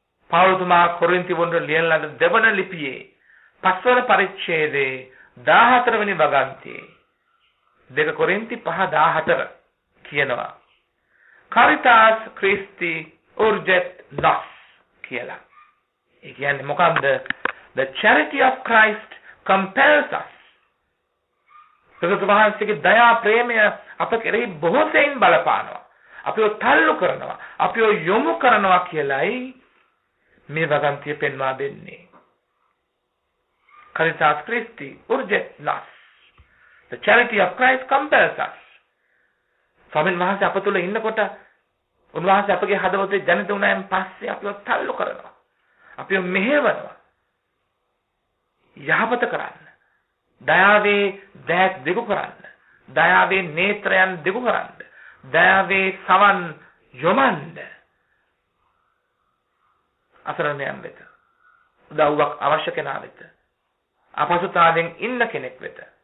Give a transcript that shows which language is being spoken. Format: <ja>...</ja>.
<si>පාවුතුමා කොරින්තිවොන්ට ලියන ලද දෙවන ලිපියේ පස්වන පරිච්ඡේදයේ 14 වෙනි වගන්තියේ 2 කොරින්ති 5:14 කියනවා</si> <la>කරිතාස් ක්‍රිස්ති උර්ජෙත් නොස්</la> <si>කියලා. ඒ කියන්නේ මොකක්ද?</si> <en>The charity of Christ compels us.</en> <si>සතුටවහන්සේගේ දයා ප්‍රේමය අප කෙරෙහි බොහෝ සෙයින් බලපානවා. අපිව තල්ලු කරනවා, අපිව යොමු කරනවා කියලයි මේ වගන්තිය පෙන්වා දෙන්නේ.</si> <la>කරිතාස් ක්‍රිස්ති උර්ජෙත් නොස්.</la> <en>The charity of Christ compels us.</en> <si>ස්වාමීන් වහන්සේ අප තුළ ඉන්නකොට, උන්වහන්සේ අපගේ හදවතේ ජනිත වුණායින් පස්සේ අපිව තල්ලු කරනවා, අපිව මෙහෙවනවා, යහපත කරන්න, දයාවේ දෑත් දිගු කරන්න, දයාවේ නේත්‍රයන් දිගු කරන්න, දයාවේ සවන් යොමන්න, අසරණයන් වෙත, උදව්වක් අවශ්‍ය කෙනා වෙත, අපහසුතාවෙන් ඉන්න කෙනෙක් වෙත.</si>